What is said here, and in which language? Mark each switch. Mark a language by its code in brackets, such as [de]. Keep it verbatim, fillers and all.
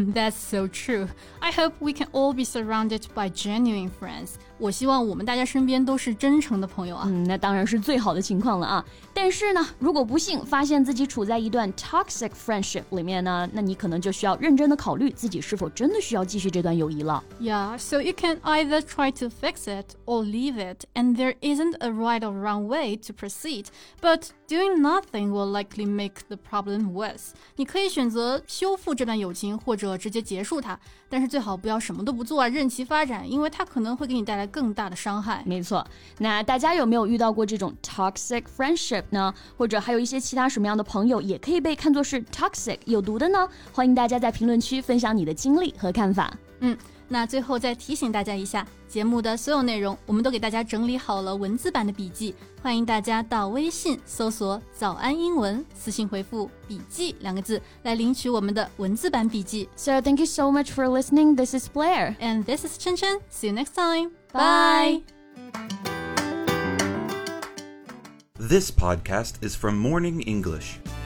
[en] That's so true. I hope we can all be surrounded by genuine friends. [zh] 我希望我们大家身边都是真诚的朋友啊。嗯，那当然是最好的情况了啊。但是呢，如果不幸发现自己处在一段 toxic friendship 里面呢，那你可能就需要认真的考虑自己是否真的需要继续这段友谊了。 [en] Yeah, so you can either try to fix it or leave it, and there isn't a right or wrong way to proceed, but doing nothing will likely make the problem worse. [zh] 你可以选择修复这段友情，或者直接结束它。但是最好不要什么都不做啊，任其发展，因为它可能会给你带来更大的伤害。没错，那大家有没有遇到过这种 toxic friendship 呢？或者还有一些其他什么样的朋友也可以被看作是 toxic 有毒的呢？欢迎大家在评论区分享你的经历和看法。嗯，那最后再提醒大家一下，节目的所有内容我们都给大家整理好了文字版的笔记，欢迎大家到微信搜索早安英文，私信回复笔记两个字来领取我们的文字版笔记。 [en] So thank you so much for listening. This is Blair. And this is Chen Chen. See you next time. Bye. This podcast is from Morning English.